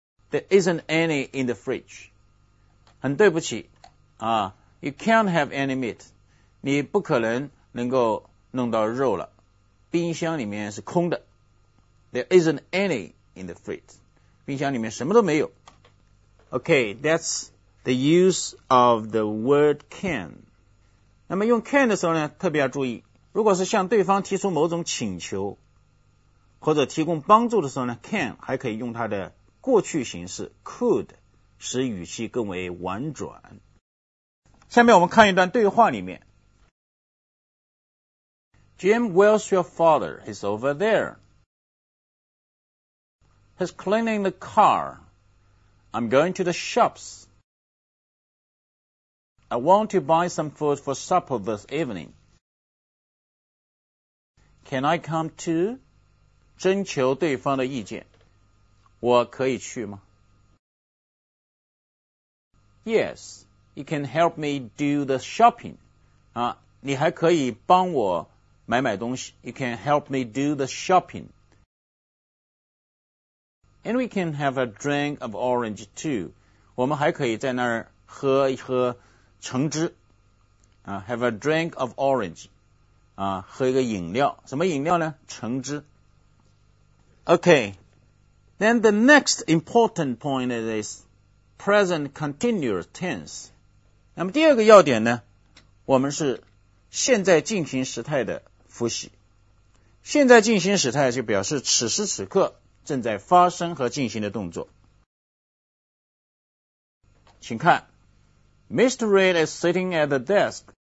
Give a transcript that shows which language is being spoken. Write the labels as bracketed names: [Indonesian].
[English] There isn't any in the fridge. [Chinese] 很对不起啊， [English] you can't have any meat. [Chinese] 你不可能能够弄到肉了，冰箱里面是空的。 [English] There isn't any in the fridge. [Chinese] 冰箱里面什么都没有。 [English] OK, that's the use of the word can. [Chinese] 那么用 can 的时候呢，特别要注意，如果是向对方提出某种请求或者提供帮助的时候呢， can 还可以用它的过去形式 could, 使语气更为婉转。下面我们看一段对话里面。 [English] Jim, where's your father? He's over there. He's cleaning the car. I'm going to the shops. I want to buy some food for supper this evening. Can I come too? [Chinese] 征求对方的意见。我可以去吗？ [English] Yes, you can help me do the shopping. [Chinese] 啊，你还可以帮我买买东西。 [English] You can help me do the shopping. And we can have a drink of orange too. [Chinese] 我们还可以在那儿喝一喝橙汁。 [English] Have a drink of orange. [Chinese] 喝一个饮料。什么饮料呢？橙汁。Okay. [English] Then the next important point is present continuous tense. [Chinese] 那么第二个要点呢，我们是现在进行时态的复习。现在进行时态就表示此时此刻正在发生和进行的动作。请看 [English] ,Mr. Reid is sitting at the desk.